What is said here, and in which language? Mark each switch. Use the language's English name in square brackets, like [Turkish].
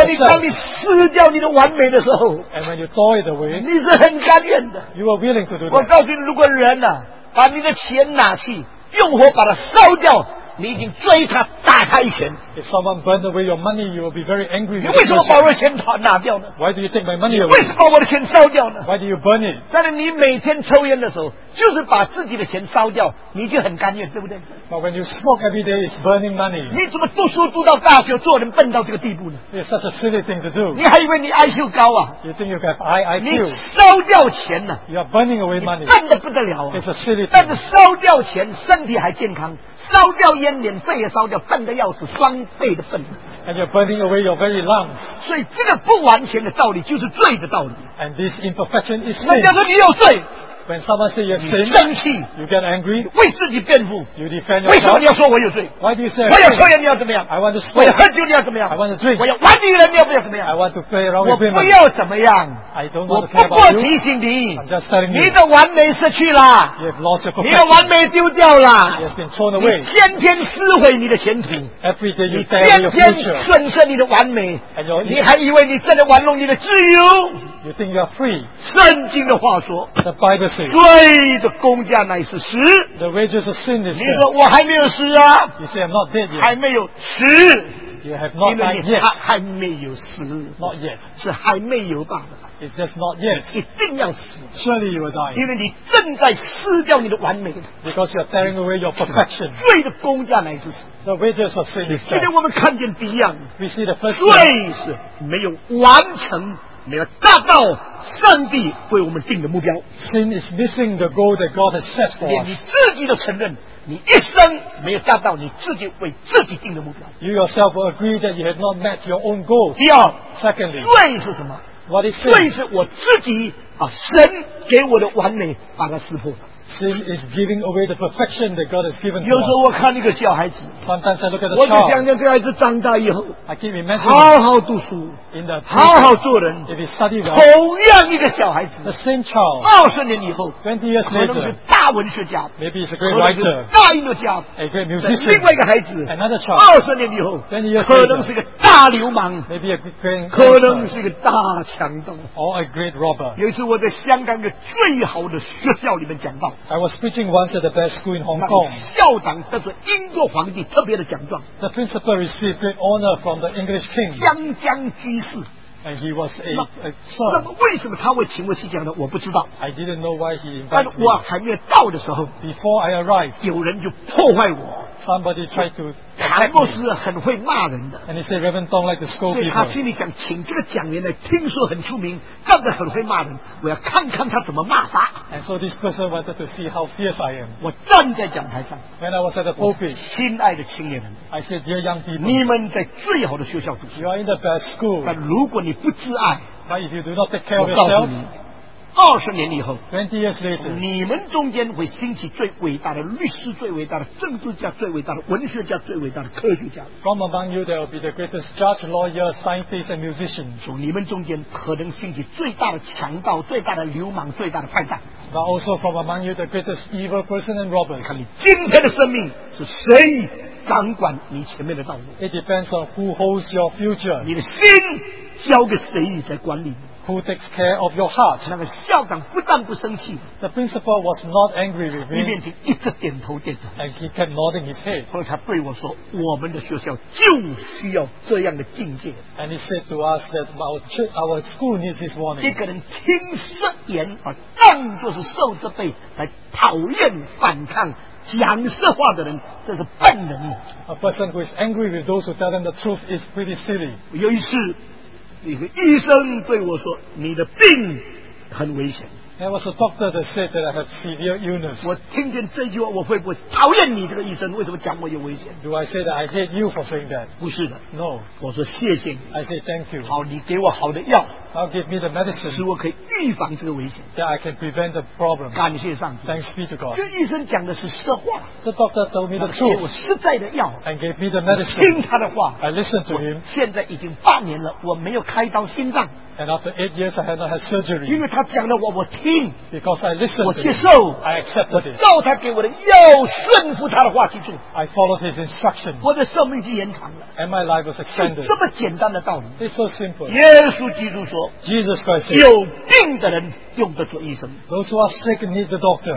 [Chinese] 而你当你失掉你的完美的时候， [English] And when you throw it away, [Chinese] 你是很甘愿的。 [English] You are willing to do that. [Chinese] 我告诉你，如果人啊，把你的钱拿去，用火把它烧掉。你已经追他打他一拳。 [English] If someone burned away your money, you will be very angry. [Chinese] 你为什么把我的钱拿掉呢？ [English] Why do you take my money away? [Chinese] 为什么把我的钱烧掉呢？ [English] Why do you burn it? [Chinese] 但是你每天抽烟的时候，就是把自己的钱烧掉，你就很甘愿，对不对？ [English] But when you smoke every day, it's burning money. [Chinese] 你怎么读书读到大学，做人笨到这个地步呢？ [English] It's such a silly thing to do. [Chinese] 你还以为你 IQ 高啊？ [English] You think you have high IQ? [Chinese] 你烧掉钱呢？ [English] You are burning away money. [Chinese] 笨得不得了啊！ [English] It's a silly thing. [Chinese] 但是烧掉钱，身体还健康，烧掉烟脸肺也烧掉，笨得要死，双倍的笨。 [English] And you're burning away your very lungs. [Chinese] 所以这个不完全的道理就是罪的道理。 [English] And this imperfection is sin. [Chinese] 人家说你有罪。 [English] When someone says you have sin, [Chinese] 你生气。 [English] You get angry. [Chinese] 为自己辩护。 [English] You defend yourself. [Chinese] 为什么你要说我有罪？ [English] Why do you say? [Chinese] 我要抽烟你要怎么样？ [English] I want to smoke. [Chinese] 我要喝酒你要怎么样？ [English] I want to drink. [Chinese] 我要玩女人你要不要怎么样？ [English] I want to play around with women. [Chinese] 我不要怎么样。 [English] I don't want to care about you. [Chinese] 我不过提醒你。 [English] I'm just telling you. [Chinese] 你的完美失去了。 [English] You have lost your perfection. [Chinese] 你的完美丢掉了。 [English] You have been thrown away. [Chinese] 你天天撕毁你的前途。 [English] Every day you tear your future. [Chinese] 你天天损失你的完美。 [English] And you're [Chinese] in. 你还以为你正在玩弄你的自由？ [English] You think you are free? [Chinese] 圣经的话说， [English] The Bible says, [Chinese] 罪的工价乃是死。 [English] The wages of sin is [Chinese] death. 你说我还没有死啊？ [English] You say I'm not dead yet. [Chinese] 还没有死。 [English] You have not died yet. [Chinese] 还没有死。 [English] Not yet. [Chinese] 是还没有罢了。 [English] It's just not yet. [Chinese] 一定要死。 [English] Surely you will die. [Chinese] 因为你正在撕掉你的完美。 [English] Because you are tearing away your perfection. [Chinese] 罪的工价乃是死。 [English] The wages of sin is death. [Chinese] 今天我们看见第一样。 [English] We see the first. [Chinese] 罪是没有完成。没有达到上帝为我们定的目标。 [English] Sin is missing the goal that God has set for us. [Chinese] 你自己都承认，你一生没有达到你自己为自己定的目标。 [English] You yourself will agree that you have not met your own goal. [Chinese] 第二 [English] ，secondly， [Chinese] 罪是什么 [English] ？What is sin？ [Chinese] 罪是我自己把神给我的完美把它撕破。 [English] Sin is giving away the perfection that God has given to us. [Chinese] 有时候我看一个小孩子， [English] Sometimes I look at the [Chinese] 我就想象这孩子长大以后， [English] I keep imagining [Chinese] 好好读书， [English] in the [Chinese] 好好做人， [English] if he study well, [Chinese] 同样一个小孩子， [English] the same child, [Chinese] 20年以后， [English] 20 years later, [Chinese] 可能是大文学家， [English] maybe he's a great writer, [Chinese] 大音乐家， [English] a great musician, [Chinese] 另外一个孩子， [English] another child, [Chinese] 20年以后， [English] 20 years later, [Chinese] 可能是个大流氓， [English] maybe a great, [Chinese] 可能是个大强盗， [English] or a great robber. [Chinese] 有一次我在香港的最好的学校里面讲到， [English] I was preaching once at the best school in Hong Kong. [Chinese] 校长得着英国皇帝特别的奖状。 [English] The principal received great honor from the English king. [Chinese] 将将居士。 [English] And he was a sir. [Chinese] 那么为什么他会请我去讲呢？我不知道。 [English] I didn't know why he invited me. [Chinese] 但我还没有到的时候， [English] Before I arrived, [Chinese] 有人就破坏我。 [English] somebody tried to. [Chinese] 谭牧师很会骂人的。 [English] And he said, Reverend Tong like to scold people. [Chinese] 所以他心里想，请这个讲员来，听说很出名，干得很会骂人，我要看看他怎么骂法。 [English] And so this person wanted to see how fierce I am. [Chinese] 我站在讲台上。 [English] When I was at the pulpit, [Chinese] 亲爱的青年人 [English] ，I said, dear young people, [Chinese] 你们在最好的学校读书。 [English] You are in the best school. [Chinese] 但如果你不自爱 [English] ，But if you do not take care of yourself. [Chinese] 20年以后 [English] 20 years later, [Chinese] 你们中间会兴起最伟大的律师最伟大的政治家最伟大的文学家最伟大的科学家 [English] From among you there will be the greatest judge, lawyer, scientist and musician [Chinese] 从你们中间可能兴起最大的强盗最大的流氓最大的坏蛋 [English] But also from among you the greatest evil person and robbers [Chinese] 看你今天的生命是谁掌管你前面的道路 [English] It depends on who holds your future [Chinese] 你的心交给谁在管理 [English] Who takes care of your heart? [Chinese] 那个校长不但不生气 [English] The principal was not angry with me. [Chinese] 一边听一直点头点头 [English] And he kept nodding his head. [Chinese] 后来他对我说我们的学校就需要这样的境界 [English] And he said to us that our school needs this warning. [Chinese] 一个人听失言而当作是受责备来讨厌反抗讲实话的人这是笨人 [English] A person who is angry with those who tell them the truth is pretty silly. [Chinese] 有一次一个医生对我说：“你的病很危险。” [English] There was a doctor that said that I have severe illness. [Chinese] 我听见这句话，我会不会讨厌你这个医生？为什么讲我有危险 [English] ？Do I say that I hate you for saying that? [Chinese] 不是的 [English] ，No. [Chinese] 我说谢谢你。 [English] I say thank you. [Chinese] 好，你给我好的药。 [English] I'll give me the medicine. [Chinese] 使我可以预防这个危险。 [English] That I can prevent the problem. [Chinese] 感谢上帝。 [English] Thanks be to God. [Chinese] 这医生讲的是实话。 [English] The doctor told me the truth. [Chinese] 给我实在的药。 [English] And gave me the medicine. [Chinese] 听他的话。 [English] I listened to him. [Chinese] 现在已经半年了，我没有开刀心脏。 [English] And after 8 years, I had not had surgery. [Chinese] 因为他讲的我听。 [English] Because I listened. [Chinese] 我接受。 [English] I accepted it. [Chinese] 照他给我的药，顺服他的话去做。 [English] I followed his instructions. [Chinese] 我的生命就延长了。 [English] And my life was extended. [Chinese] 这么简单的道理。 [English] It's so simple. [Chinese] 耶稣基督说。 [English] Jesus Christ. [Chinese] 有病的人用得着医生。 [English] Those who are sick need the doctor.